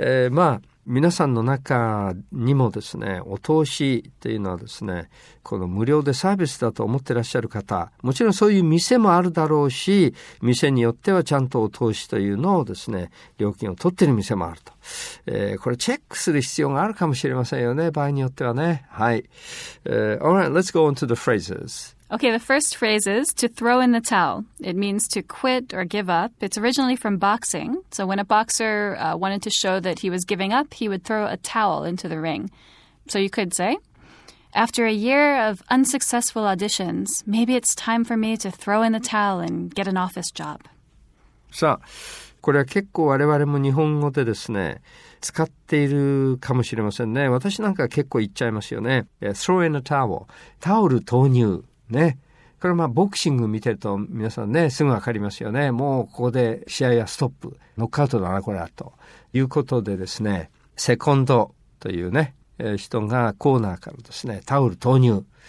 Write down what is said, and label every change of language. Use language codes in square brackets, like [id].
[ja] まあ皆さんの中にもですね、お通しというのはですね、この無料でサービスだと思ってらっしゃる方、もちろんそういう店もあるだろうし、店によってはちゃんとお通しというのをですね、料金を取っている店もあると、これチェックする必要があるかもしれませんよね、場合によってはね。はい、 [en] Alright, let's go on to the phrases. Okay, the first phrase is to throw in the towel. It means to quit or give up. It's originally from boxing. So when a boxer wanted to show that he was giving up, he would throw a towel into the ring. So you could say, after a year of unsuccessful auditions, maybe it's time for me to throw in the towel and get an office job. [ja] さあ、これは結構我々も日本語でですね、使っているかもしれませんね。私なんか結構言っちゃいますよね。 [en] Throw in a towel. [ja] タオル投入。ね。これはまあボクシング見てると皆さんね、すぐわかりますよね。もうここで試合はストップ。ノックアウトだな、これは。ということでですね、セコンドというね、人がコーナーからですね、タオル投入。